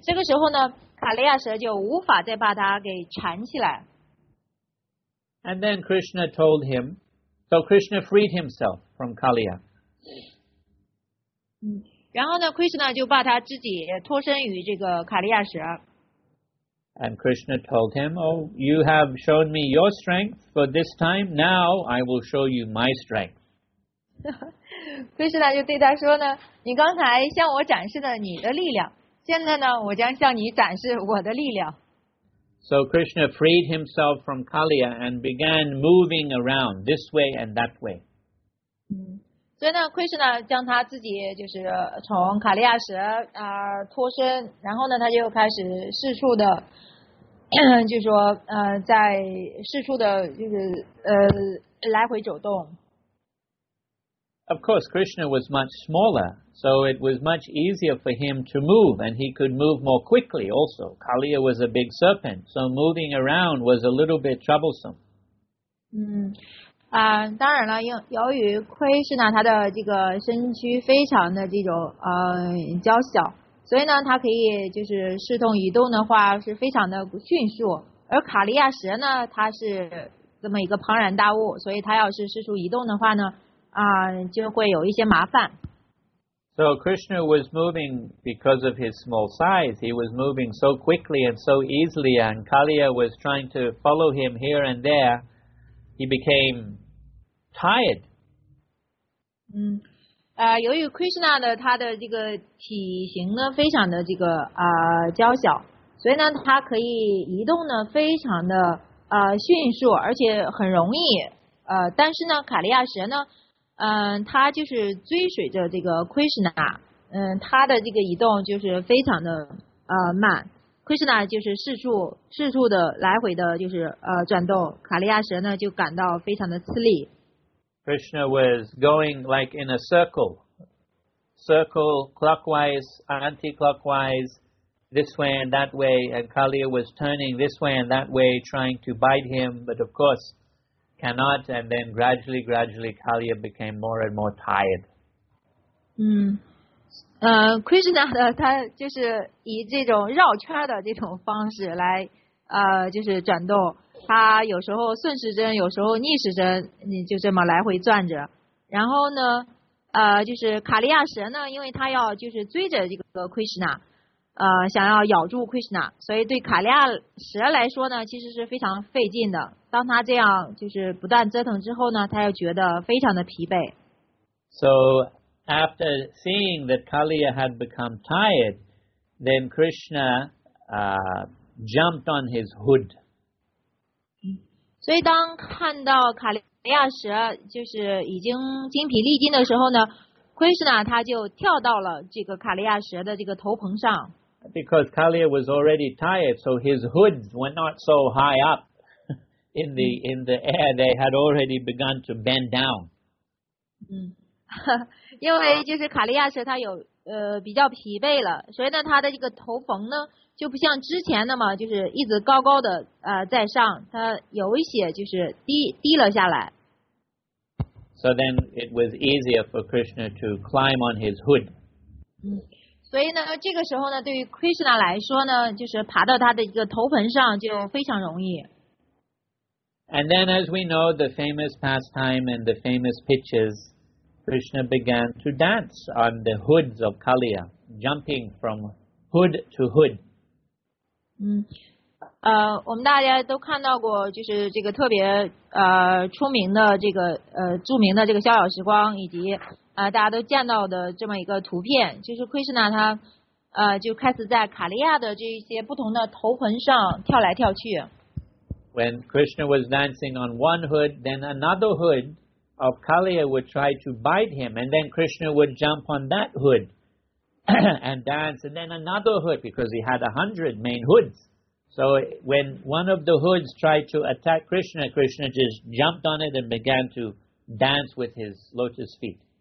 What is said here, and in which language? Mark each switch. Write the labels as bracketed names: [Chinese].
[Chinese] 这个时候呢，卡利亚蛇就无法再把他给缠起来。 [English] And then Krishna told him, so Krishna freed himself from Kaliya. [Chinese] 然后呢 ，Krishna 就把他自己脱身于这个卡利亚时。 [English] And Krishna told him, "Oh, you have shown me your strength for this time. Now I will show you my strength." [Chinese] Krishna 就对他说呢，你刚才向我展示了你的力量，现在呢，我将向你展示我的力量。 [English] So Krishna freed himself from Kaliya and began moving around this way and that way. [Chinese] 所以呢 ，Krishna 将他自己就是从卡利亚时啊脱身，然后呢，他就开始四处的，就说在四处的，就是来回走动。 [English] Of course, Krishna was much smaller, so it was much easier for him to move, and he could move more quickly also. Kaliya was a big serpent, so moving around was a little bit troublesome. [Chinese] 当然了，由于 Krishna 他的这个身躯非常的这种娇小，所以呢，他可以就是视同移动的话是非常的迅速。而卡利亚蛇呢，它是这么一个庞然大物，所以它要是四处移动的话呢，就会有一些麻烦。 [English] So Krishna was moving because of his small size. He was moving so quickly and so easily, and Kaliya was trying to follow him here and there. He became tired. [Chinese] 由于 Krishna 的他的这个体型呢，非常的这个娇小，所以呢，他可以移动呢，非常的迅速，而且很容易。但是呢，卡利亚蛇呢，它就是追随着这个 Krishna， 它的这个移动就是非常的慢。 Krishna 就是四处的来回的，就是转动。卡利亚蛇呢就感到非常的吃力。 [English] Krishna was going like in a circle clockwise, anti-clockwise, this way and that way, and Kaliya was turning this way and that way, trying to bite him, but of course cannot. And then gradually, Kaliya became more and more tired. [Chinese] Krishna 的他就是以这种绕圈的这种方式来就是转动，他有时候顺时针，有时候逆时针，你就这么来回转着。然后呢就是卡利亚蛇呢，因为他要就是追着这个 Krishna， 想要咬住 Krishna， 所以对卡利亚蛇来说呢，其实是非常费劲的。当他这样就是不断折腾之后呢，他又觉得非常的疲惫。 [English] SoAfter seeing that Kaliya had become tired, then Krishna jumped on his hood. [Chinese] 所以当看到卡利亚蛇就是已经精疲力尽的时候呢 ，Krishna 他就跳到了这个卡利亚蛇的这个头棚上。 [English] Because Kaliya was already tired, so his hoods were not so high up in the air. They had already begun to bend down. [Chinese] 因为就是卡利亚蛇它有比较疲惫了，所以呢它的这个头棚呢就不像之前那么就是一直高高的在上，它有一些就是低了下来。 [English] So then it was easier for Krishna to climb on his hood. [Chinese] 所以呢这个时候呢对于 Krishna 来说呢，就是爬到他的一个头棚上就非常容易。 [English] And then as we know the famous pastime and the famous pictures. Krishna began to dance on the hoods of Kaliya, jumping from hood to hood. [Chinese] 我们大家都看到过，就是这个特别出名的这个著名的这个逍遥时光，以及大家都见到的这么一个图片，就是 Krishna 他就开始在卡利亚的这些不同的头棚上跳来跳去。 [English] When Krishna was dancing on one hood, then another hood. Of Kaliya would try to bite him, and then Krishna would jump on that hood and dance, and then another hood because he had 100 main hoods. So when one of the hoods tried to attack Krishna, Krishna just jumped on it and began to dance with his lotus feet.